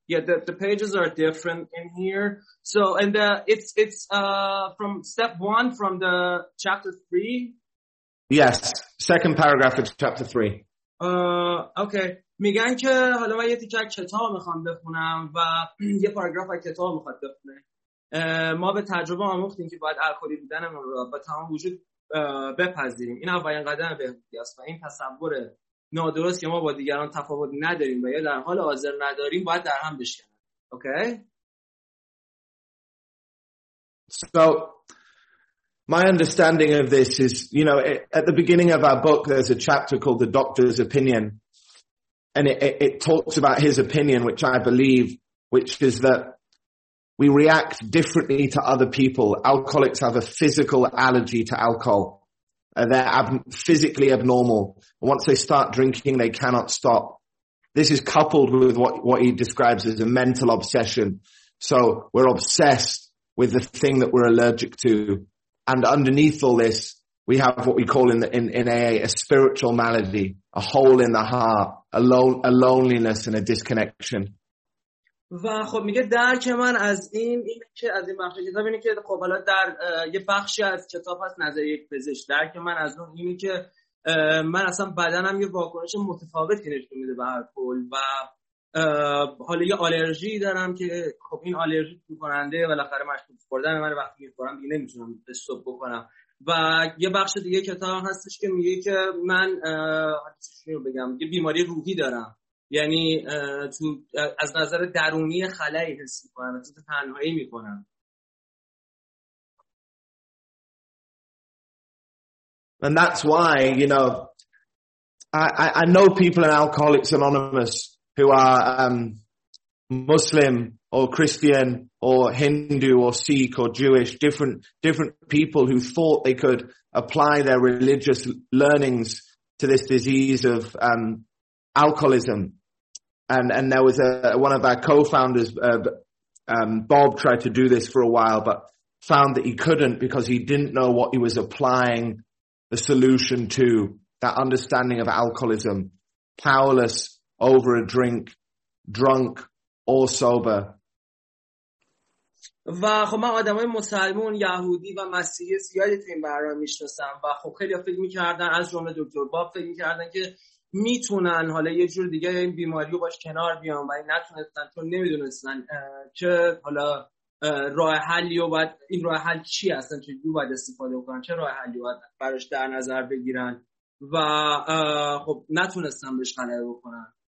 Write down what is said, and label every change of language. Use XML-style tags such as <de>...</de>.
<en>Yeah, the pages are different in here. So, and it's from step one from the chapter three. Yes, second paragraph of chapter three. Okay.</en> <fa>میگن که حالا من یه تیکه کتاب میخوام بخونم و یه پاراگراف از کتاب میخواد بخونه. ما به تجربه آموختیم که باید الکلی بودنمون رو با تمام وجود بپذیریم. این اولین قدم بهبودی است و این تصور نادرست که ما با دیگران تفاوت نداریم و یا در حال حاضر نداریم باید در هم بشکنیم و</fa> <en>Okay. So my understanding of this is, you know, at the beginning of our book, there's a chapter called The Doctor's Opinion. And it talks about his opinion, which I believe, which is that we react differently to other people. Alcoholics have a physical allergy to alcohol. They're physically abnormal. Once they start drinking, they cannot stop. This is coupled with what he describes as a mental obsession. So we're obsessed with the thing that we're allergic to. And underneath all this, we have what we call in AA, a spiritual malady, a hole in the heart, a loneliness and a disconnection.</en> <fa>و خب میگه درک من از این که از این بخش کتاب اینه که خب حالا در یه بخشی از کتاب هست نظریه یک پزشک، درک من از اون اینه که من اصلا بدنم یه واکنش متفاوتی نشون میده به الکل و حالا یه آلرژی دارم که خب این آلرژی تو کننده بالاخره مشروب خوردن من وقتی میخورم دیگه نمیتونم به صبح بکنم. و یه بخش دیگه کتاب هستش که میگه که من چجوری بگم یه بیماری روحی دارم، یعنی تو از نظر درونی خلایی حس میکنم، از تنهایی میکنم.</fa> <en>And that's why, you know, I know people in Alcoholics Anonymous who are Muslim or Christian or Hindu or Sikh or Jewish, different people who thought they could apply their religious learnings to this disease of alcoholism. And there was one of our co-founders, Bob, tried to do this for a while, but found that he couldn't because he didn't know what he was applying the solution to, that understanding of alcoholism, powerless over a drink, drunk or sober.</en> <fa>و خب من آدمای مسلمون، یهودی و مسیحی زیادی تو این برنامه میشناسم و خب خیلی ها فکر میکردن، از جمله دکتر باب فکر میکردن که میتونن حالا یه جور دیگه این بیماری رو باش کنار بیان و این نتونستن، چون نمیدونستن که حالا راه حلی و باید این راه حل چی هستن، چه جور باید استفاده کنن، چه راه حلی باید براش در نظر بگیرن و خب نتونستن بهش غلبه بکنن.</fa>